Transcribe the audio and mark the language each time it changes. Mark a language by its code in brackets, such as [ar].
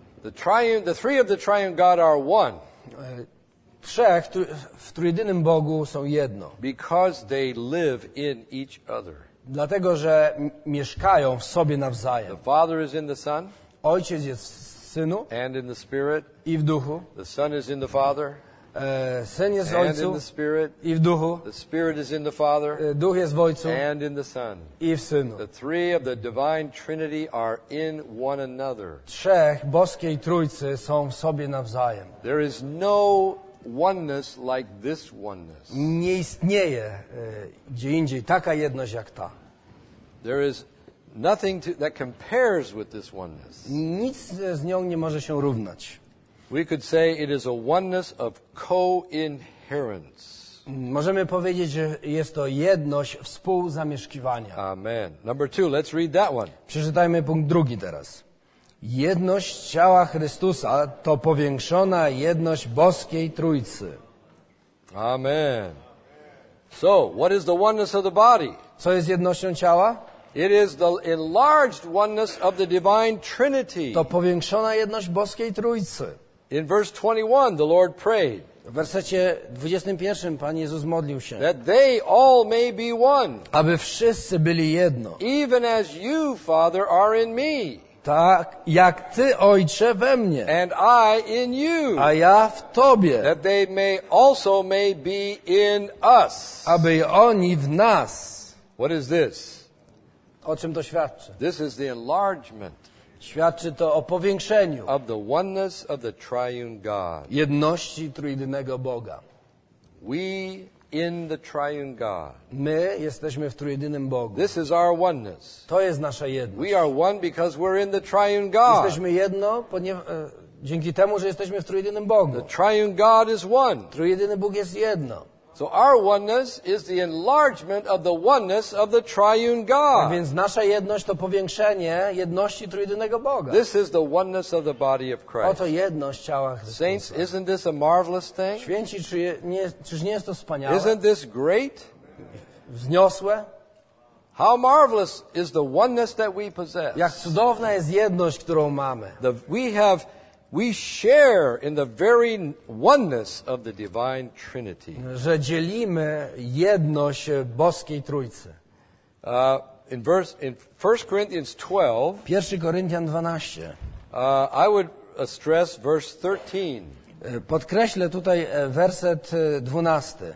[en] The three of the triune God are one. [pl] Trzech w trójjedynym Bogu są jedno. [en] Because they live in each other. [pl] Dlatego, że mieszkają w sobie nawzajem. [en] The Father is in the Son. [pl] Ojciec jest w Synu. [en] And in the Spirit. [pl] I w Duchu. [en] The Son is in the Father. [pl] Syn jest w Ojcu. [en] And in the Spirit. [pl] I w Duchu. [en] The Spirit is in the Father. [pl] Duch jest w Ojcu. [en] And in the Son. [pl] I w Synu. [en] The three of the divine Trinity are in one another. [pl] Trzech boskiej Trójcy są w sobie nawzajem. [en] There is no oneness like this oneness. [pl] Nie istnieje gdzie indziej taka jedność jak ta. [en] There is nothing that compares with this oneness. [pl] Nic z nią nie może się równać. [en] We could say it is a oneness of co-inherence. [pl] Możemy powiedzieć, że jest to jedność współzamieszkiwania. [en] Amen. Number two, let's read that one. [pl] Przeczytajmy punkt drugi teraz. Jedność ciała Chrystusa to powiększona jedność boskiej Trójcy. [en] Amen. So, what is the oneness of the body? [pl] Co jest jednością ciała? [en] It is the enlarged oneness of the divine Trinity. [pl] To powiększona jedność boskiej Trójcy. [en] In verse 21, the Lord prayed. [pl] W wersecie 21 Pan Jezus modlił się. [en] That they all may be one. [pl] Aby wszyscy byli jedno. [en] Even as you, Father, are in me. [pl] Tak, jak Ty, Ojcze, we mnie. [en] And I in you. [pl] A ja w Tobie. [en] That they may also may be in us. [pl] Aby oni w nas. [en] What is this? [pl] O czym to świadczy? [en] This is the enlargement. [pl] Świadczy to o powiększeniu. [en] Of the oneness of the triune God. [pl] Jedności trójjedynego Boga. [en] We in the triune God. [pl] My jesteśmy w trójjedynym Bogu. [en] This is our oneness. [pl] To jest nasza jedność. [en] We are one because we're in the triune God. [pl] Jesteśmy jedno, dzięki temu, że jesteśmy w trójjedynym Bogu. [en] The triune God is one. [pl] Trójjedyny Bóg jest jedno. [en] So our oneness is the enlargement of the oneness of the triune God. [pl] A więc nasza jedność to powiększenie jedności trójjedynego Boga. [en] This is the oneness of the body of Christ. [pl] Oto jedność ciała Chrystusa. [en] Saints, isn't this a marvelous thing? [pl] Święci, czyż nie jest to wspaniałe? [en] Isn't this great? [pl] Wzniosłe? [en] How marvelous is the oneness that we possess? [pl] Jak cudowna jest jedność, którą mamy. [en] We share in the very oneness of the divine Trinity. [pl] Że dzielimy jedność boskiej Trójcy. [en] In 1 Corinthians 12. [pl] 1 Koryntian 12. [en] I would stress verse 13. [pl] Podkreślę tutaj werset 12.